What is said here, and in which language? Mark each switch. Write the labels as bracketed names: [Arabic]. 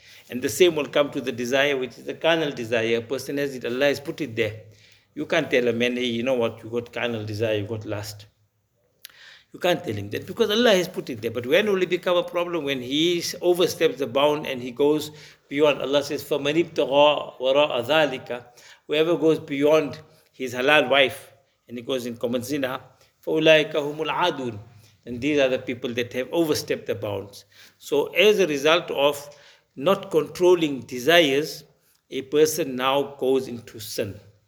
[English] And the same will come to the desire, which is the carnal desire. A person has it, Allah has put it there. You can't tell a man, hey, you know what, you got carnal desire, you got lust. You can't tell him that because Allah has put it there. But when will it become a problem? When he oversteps the bound and he goes beyond. Allah says, [Arabic] فَمَنْ اِبْتَغَى وَرَاءَ ذَٰلِكَ. [English] Whoever goes beyond his halal wife and he goes in common zina, [Arabic] فَأُولَٰئِكَ هُمُ الْعَادُونَ. [English] And these are the people that have overstepped the bounds. So as a result of not controlling desires, a person now goes into sin.